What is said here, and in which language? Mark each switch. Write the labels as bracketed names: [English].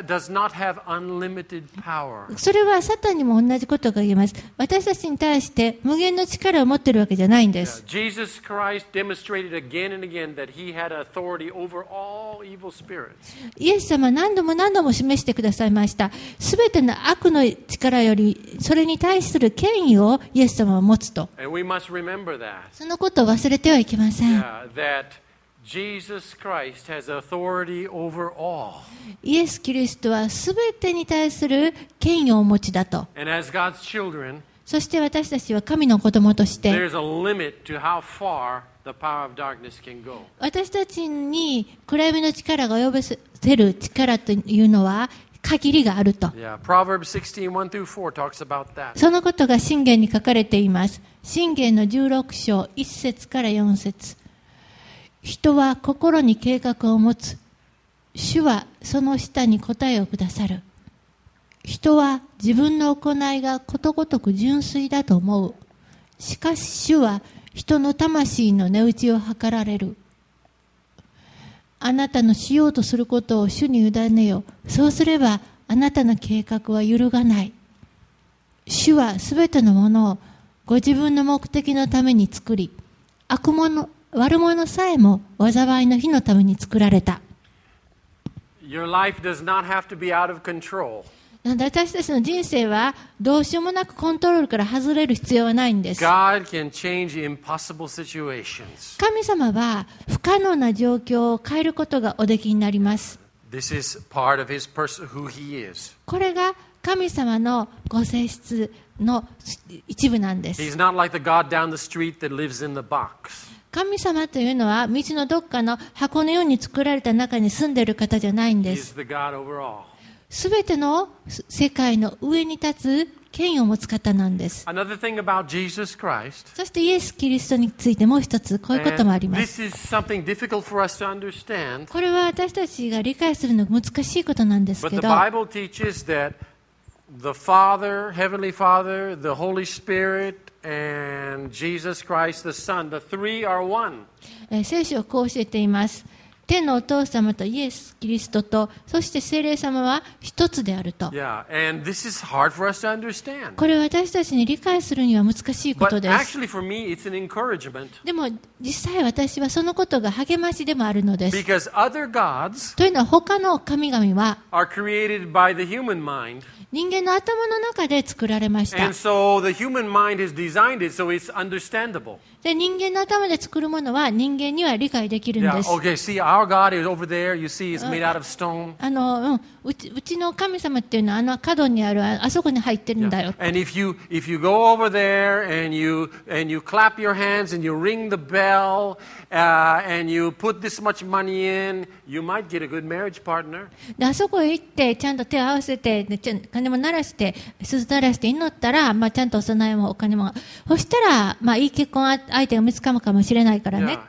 [Japanese] それはサタンにも同じことが言えます。私たちに対して無限の力を持っているわけじゃないんです。 [English] Jesus Christ demonstrated again and again that he had authority over all evil spirits. [Japanese] イエス様は何度も何度も示してくださいました。すべての悪の力よりそれに対する権威をイエス様は持つと。 [English] And we must remember that. [Japanese] そのことを忘れてはいけません。 [English] Jesus Christ has authority over all. [Japanese] イエス・キリストはすべてに対する権威をお持ちだと。 [English] And as God's children, [Japanese] そして私たちは神の子供として [English] there's a limit to how far the power of darkness can go. [Japanese] 私たちに暗闇の力が及ばせる力というのは限りがあると。 [English] Yeah, Proverbs 16, 1-4 talks about that. [Japanese] そのことが箴言に書かれています。箴言の16章1節から4節。人は心に計画を持つ。主はその下に答えをくださる。人は自分の行いがことごとく純粋だと思う。しかし主は人の魂の値打ちを測られる。あなたのしようとすることを主に委ねよ。そうすればあなたの計画は揺るがない。主はすべてのものをご自分の目的のために作り、悪者さえも災いの日のために作られた。 [English] Your life does not have to be out of control. [Japanese] 私たちの人生はどうしようもなくコントロールから外れる必要はないんです。 [English] God can change impossible situations. [Japanese] 神様は不可能な状況を変えることがおできになります。 [English] This is part of his person, who he is. [Japanese] これが神様のご性質の一部なんです。 [English] He's not like the God down the street that lives in the box. [Japanese] 神様というのは道のどこかの箱のように作られた中に住んでいる方じゃないんです。すべての世界の上に立つ権威を持つ方なんです。 [English] Another thing about Jesus Christ, [Japanese] そしてイエス・キリストについてもう一つこういうこともあります。 [English] and this is something difficult for us to understand, [Japanese] これは私たちが理解するのが難しいことなんですけど、 [English] But the Bible teaches that The Father, Heavenly Father, the Holy Spirit, and Jesus Christ, the Son, the three are one. [Japanese] 聖書はこう教えています。天のお父様とイエス・キリストと、そして聖霊様は一つであると。 [English] Yeah, and this is hard for us to understand. [Japanese] これは私たちに理解するには難しいことです。 [English] But actually for me, it's an encouragement. [Japanese] でも実際私はそのことが励ましでもあるのです。 [English] Because other gods [Japanese] というのは他の神々は [English] are created by the human mind. [Japanese] 人間の頭の中で作られました。 [English] So the human mind has designed it, so it's understandable. [Japanese] で、人間の頭で作るものは人間には理解できるんです。 [English] Yeah, okay, see, our God is over there. You see, it's made out of stone. [Japanese] うちの神様っていうのはあの角にある あそこに入ってるんだよ。 [English] Yeah. And if you go over there and you clap your hands and you ring the bell, and you put this much money in, you might get a good marriage partner. [Japanese] で、あそこへ行ってちゃんと手を合わせて、ね、金も鳴らして鈴鳴らして祈ったら、まあ、ちゃんとお供えもお金もそしたら、まあ、いい結婚相手が見つかるかもしれないからね。